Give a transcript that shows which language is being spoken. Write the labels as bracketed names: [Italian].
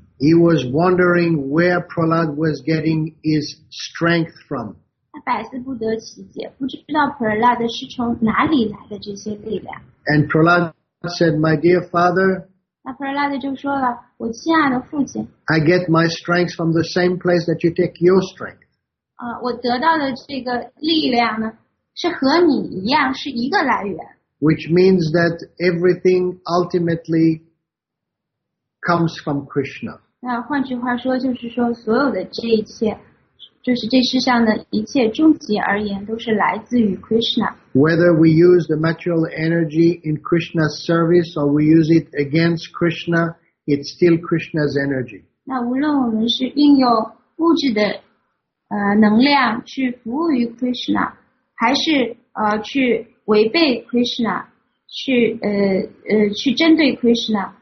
[English] He was wondering where Prahlad was getting his strength from. [Chinese] 他百思不得其解，不知道 Prahlad 是从哪里来的这些力量。 [English] And Prahlad said, "My dear father." [Chinese] 那 Prahlad 就说了，我亲爱的父亲。 [English] I get my strength from the same place that you take your strength. [Chinese] 我得到的这个力量呢，是和你一样，是一个来源。 [English] Which means that everything ultimately. Comes from Krishna. [Chinese] 那换句话说，就是说所有的这一切，就是这世上的一切，终极而言都是来自于 Krishna. [English] Whether we use the material energy in Krishna's service or we use it against Krishna, it's still Krishna's energy. [Chinese] 那无论我们是运用物质的能量去服务于 Krishna， 还是去违背 Krishna， 去针对 Krishna。